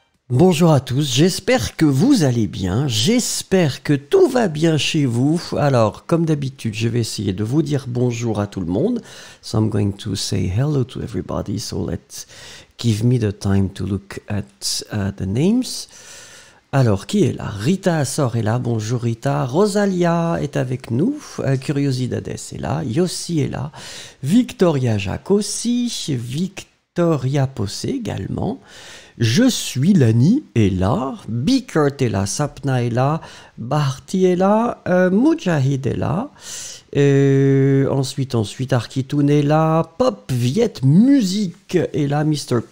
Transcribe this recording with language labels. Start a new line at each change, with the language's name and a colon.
French: Bonjour à tous, j'espère que vous allez bien, j'espère que tout va bien chez vous. Alors, comme d'habitude, je vais essayer de vous dire bonjour à tout le monde.
English: So I'm going to say hello to everybody, so let's give me the time to look at the names.
French: Alors, qui est là? Rita Assor est là, bonjour Rita. Rosalia est avec nous, Curiosidades est là, Yossi est là. Victoria Jacques aussi, Victoria Posse également. Je suis Lani est là, Bikert est là, Sapna est là, Barty est là, Mujahid est là, ensuite Arkitoun est là, Pop Viet Musique est là, Mr.